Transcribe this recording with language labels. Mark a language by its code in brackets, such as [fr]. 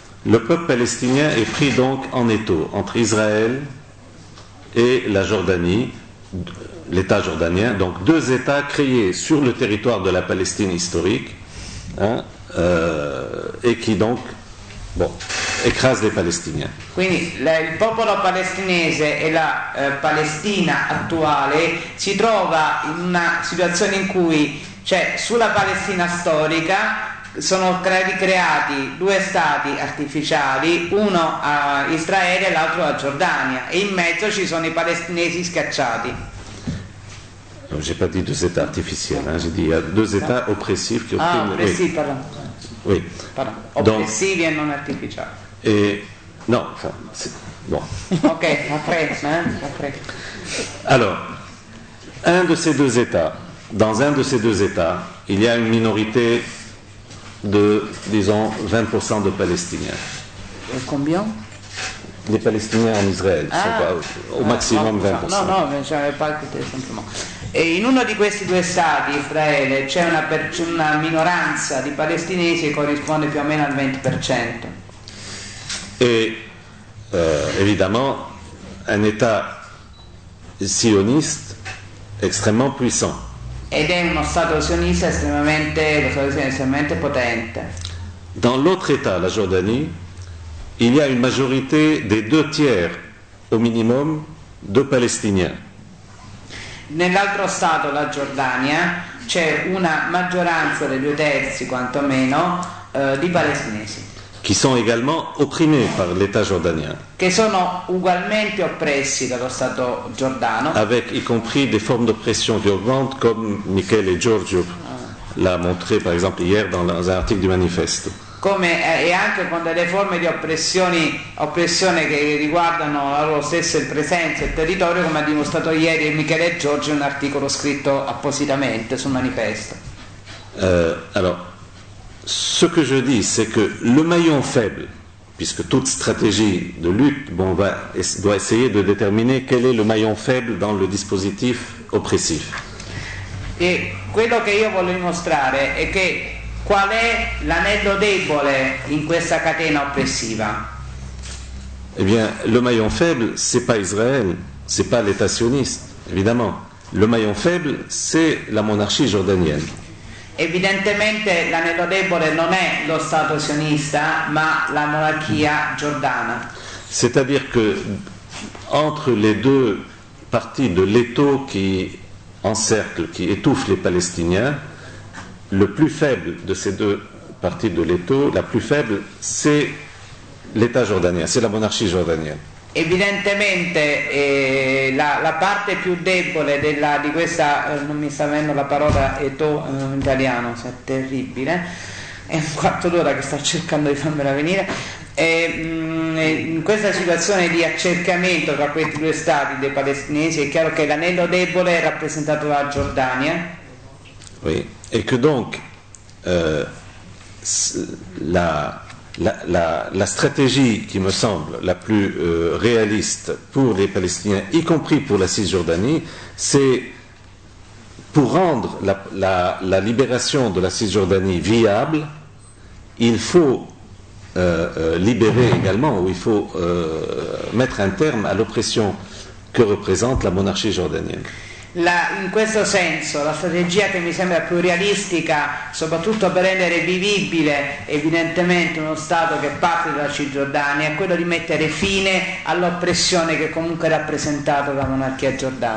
[fr] Le peuple palestinien est pris donc en étau entre Israël et la Jordanie, l'État jordanien, donc deux États créés sur le territoire de la Palestine historique, hein, et qui donc écrase les Palestiniens. [it] Quindi il popolo palestinese e la Palestina attuale si trova in una situazione in cui cioè sulla Palestina storica sono creati due stati artificiali, uno a Israele e l'altro a Giordania, e in mezzo ci sono i palestinesi scacciati. [fr] Non j'ai pas dit deux états artificiels, hein, j'ai dit il y a deux états oppressifs qui [it] opprimono. Ah, oppressivi, [fr] pardon. Oui. Pardon. [it] Oppressivi [fr] donc, et non [it] artificiali. [fr] Et non, enfin, c'est bon. Ok, après. Alors, un de ces deux états, dans un de ces deux états, il y a une minorité de, disons, 20% de Palestiniens. Et combien ? Les Palestiniens en Israël, ah, sont pas, au maximum 20%. Non, mais je n'avais pas écouté simplement. [it] Et in uno di questi due stati, Israël, c'è una minoranza di palestinesi che corrisponde più o meno al 20%. [fr] Et évidemment, un état sioniste extrêmement puissant. [it] Ed è uno stato sionista estremamente potente. [fr] Dans l'autre état, la Jordanie, il y a une majorité des deux tiers au minimum de Palestiniens. [it] Nell'altro stato, la Giordania, c'è una maggioranza dei due terzi quantomeno di palestinesi [fr] qui sont également opprimés par l'état jordanien. [it] Che sono ugualmente oppressi dallo stato giordano. [fr] Avec y compris des formes d'oppression violente comme Michele e Giorgio l'ha montré par exemple hier dans un article du Manifesto. [it] Come e anche con delle forme di oppressione che riguardano la loro stessa presenza e territorio, come ha dimostrato ieri Michele Giorgi in un articolo scritto appositamente sul Manifesto. [fr] Alors, ce que je dis, c'est que le maillon faible, puisque toute stratégie de lutte doit essayer de déterminer quel est le maillon faible dans le dispositif oppressif. [it] E quello che io voglio dimostrare è che qual è l'anello debole in questa catena oppressiva? [fr] Eh bien, le maillon faible, c'est pas Israël, c'est pas l'État sioniste, évidemment. Le maillon faible, c'est la monarchie jordanienne. [it] Evidentemente l'anello debole non è lo Stato sionista, ma la monarchia giordana. [fr] C'est-à-dire que entre les deux parties de l'étau qui encercle, qui étouffe les Palestiniens, le plus faible de ces deux parties de l'étau, la plus faible, c'est l'État jordanien, c'est la monarchie jordanienne. [it] Evidentemente la parte più debole di questa non mi sta venendo la parola étau in italiano, cioè terribile. È un quarto d'ora che sto cercando di farmela venire. In questa situazione di accercamento tra questi due stati dei palestinesi è chiaro che l'anello debole è rappresentato dalla Giordania. [fr] Oui. Et que donc, la stratégie qui me semble la plus réaliste pour les Palestiniens, y compris pour la Cisjordanie, c'est pour rendre la libération de la Cisjordanie viable, il faut libérer également, ou il faut mettre un terme à l'oppression que représente la monarchie jordanienne. [it] in questo senso la strategia che mi sembra più realistica, soprattutto per rendere vivibile evidentemente uno Stato che parte dalla Cisgiordania, è quello di mettere fine all'oppressione che comunque è rappresentata dalla monarchia giordana.